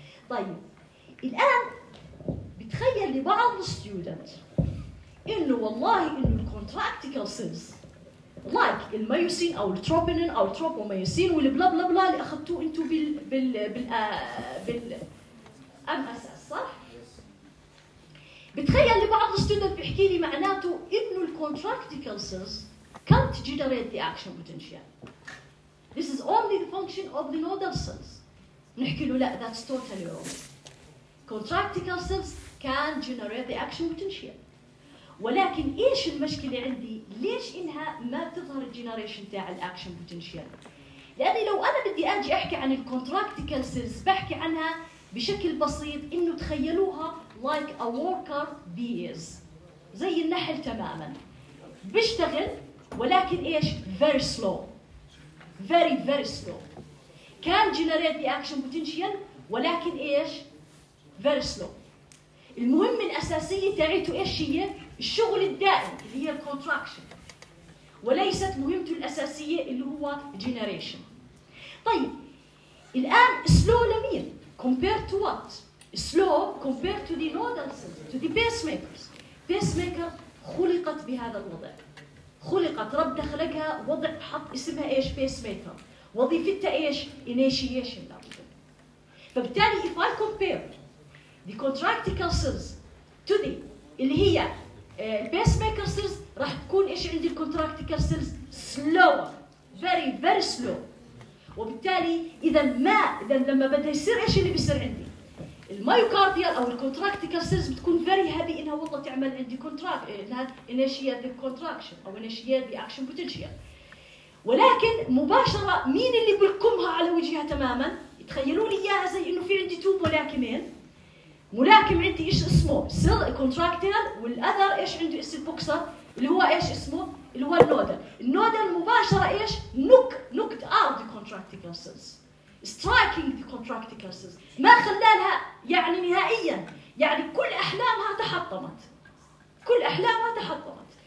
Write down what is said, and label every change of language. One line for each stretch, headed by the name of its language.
Arabic: طيب الآن بتخيل لبعض الستودنت إنه والله إنه الكونتراكتيكال سيلز لايك الميوسين أو التروبينين أو التروبوميوسين والبلا بلا بلا اللي أخذتوه أنتو بال بال بال بال أمس صح؟ بتخيل لبعض الستودنت بيحكي لي معناته إنه الكونتراكتيكال سيلز
English: can't generate the action potential. This is only the function of the nodal cells.
Arabic: نحكي له لا
English: that's totally wrong. Contractile cells can generate the action potential.
Arabic: ولكن إيش المشكلة عندي؟ ليش إنها ما بتظهر generation تاع the action potential؟ لأني لو أنا بدي أجي أحكي عن the contractile cells بحكي عنها بشكل بسيط إنه تخيلوها
English: like a worker bees
Arabic: زي النحل تماماً بيشتغل ولكن إيش
English: very slow very very slow can generate the action potential
Arabic: ولكن إيش
English: very slow.
Arabic: المهم الأساسية تاعته إيش هي الشغل الدائم اللي هي contraction وليست مهمته الأساسية اللي هو generation. طيب الآن
English: slow
Arabic: لمين
English: compared to what slow compared to the nodal cells to the pacemakers.
Arabic: pacemaker خلقت بهذا الوضع خلقت رب دخلكها وضع حط اسمها إيش pacemaker وظيفتها إيش initiation. فبالتالي
English: if I compare the contractile cells to the اللي هي pacemaker cells
Arabic: راح تكون إيش عندي
English: contractile cells slower very very slow.
Arabic: وبالتالي إذا ما إذا لما بدها يصير إيش اللي بيصير عندي الميوكارديال أو الكونتراكتيكال سيلز بتكون
English: very heavy
Arabic: إنها والله تعمل عندي contract إنها
English: initiate the contraction
Arabic: أو
English: initiate the action potential.
Arabic: ولكن مباشرة مين اللي بلكمها على وجهها تماما تخيلوني إياها زي إنه في عندي two ملاكمين ملاكم عندي إيش اسمه cell contractile والأذر إيش عنده إيش البوكسر اللي هو إيش اسمه اللي هو النودل النودل مباشرة إيش
English: knocked out the contractical cells striking the contractile cells
Arabic: ما خلالها يعني نهائيا يعني كل احلامها تحطمت كل احلامها تحطمت.